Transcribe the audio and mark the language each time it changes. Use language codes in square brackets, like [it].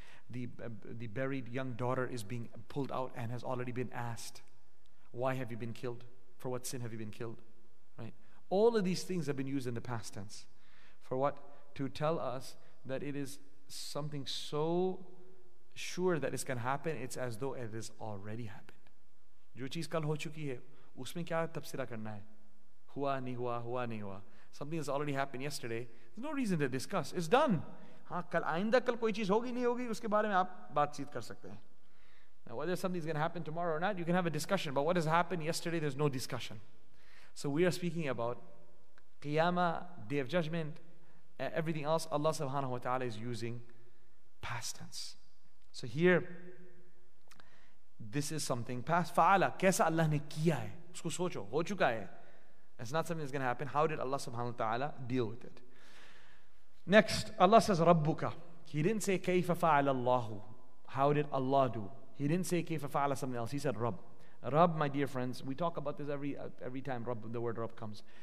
[en] The buried young daughter is being pulled out and has already been asked, why have you been killed? For what sin have you been killed? Right? All of these things have been used in the past tense. For what? To tell us that it is something so sure that it's going to happen, it's as though it has already happened. [ur] جو چیز کل ہو چکی ہے، اسمیں کیا تفسیرا کرنا ہے؟ ہوا، نی ہوا، ہوا، نی ہوا۔ [en] Something has already happened yesterday. There's no reason to discuss. It's done. [ur] ہاں، کل آئندہ کل کوئی چیز ہوگی، نہیں ہوگی، اسکے بارے میں آپ بات چیت کر سکتے ہے۔ [en] Now, whether something's going to happen tomorrow or not, you can have a discussion. But what has happened yesterday, there's no discussion. So we are speaking about Qiyamah, Day of Judgment, everything else. Allah subhanahu wa ta'ala is using past tense. So here, this is something past. [ur] فعل، کیسا اللہ نے کیا ہے؟ اسکو سوچو، ہو چکا ہے۔ [en] It's not something that's going to happen. How did Allah subhanahu wa ta'ala deal with it? Next, Allah says, Rabbuka. He didn't say, kaifa fa'ala Allahu. How did Allah do? He didn't say kayfa fa'ala something else. He said Rabb. Rabb, my dear friends, we talk about this every time Rabb, the word Rabb comes.